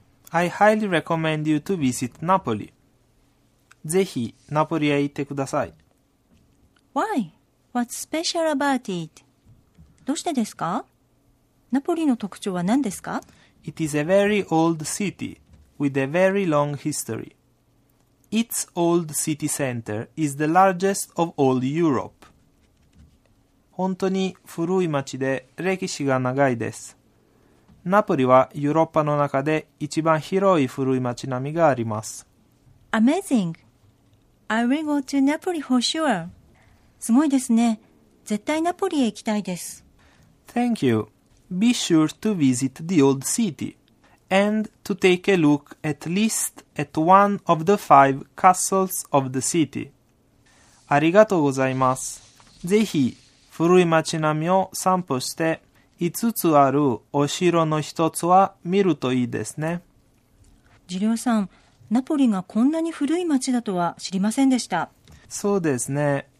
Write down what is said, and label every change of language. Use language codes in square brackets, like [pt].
[en] I highly recommend you to visit Napoli. [ja] ぜひナポリへ行ってください。 [en] Why? What's special about it? [ja] どうしてですか？ナポリの特徴は何ですか？ [en] It is a very old cityWith a very long history. Its old city center is the largest of all Europe. [ja] 本当に古い町で歴史が長いです。ナポリはヨーロッパの中で一番広い古い町並みがあります。 [en] Amazing! I will go to Napoli for sure. [ja] すごいですね。絶対ナポリへ行きたいです。 [en] Thank you. Be sure to visit the old city. And to take a look at least at one of the five castles of the city. [ja] ありがとうございます。ぜひ古い町並みを散歩して5つあるお城の1つは見るといいですね。ジリオさん、ナポリがこんなに古い町だとは知りませんでした。そうですね。